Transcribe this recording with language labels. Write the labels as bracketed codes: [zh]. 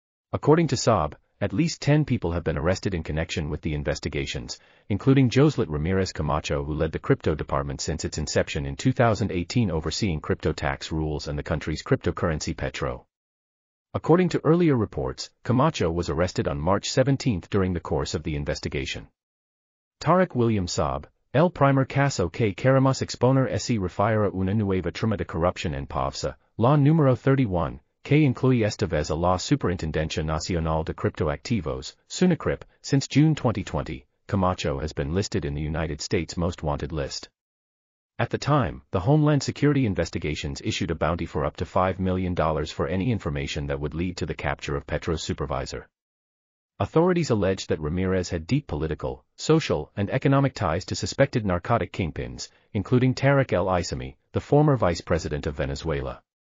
[en] According to Saab, at least 10 people have been arrested in connection with the investigations, including Joslet Ramirez Camacho, who led the crypto department since its inception in 2018 overseeing crypto tax rules and the country's cryptocurrency Petro. According to earlier reports, Camacho was arrested on March 17 during the course of the investigation. [es] Tarek William Saab, El primer caso que queremos exponer se refiere a una nueva trama de corrupción en PAVSA, Law número 31, que incluye esta vez a la Superintendencia Nacional de Criptoactivos, SUNACRIP. [en] Since June 2020, Camacho has been listed in the United States' Most Wanted list. At the time, the Homeland Security Investigations issued a bounty for up to $5 million for any information that would lead to the capture of Petro's supervisor. Authorities alleged that Ramirez had deep political, social, and economic ties to suspected narcotic kingpins, including Tarek El Issami, the former vice president of Venezuela.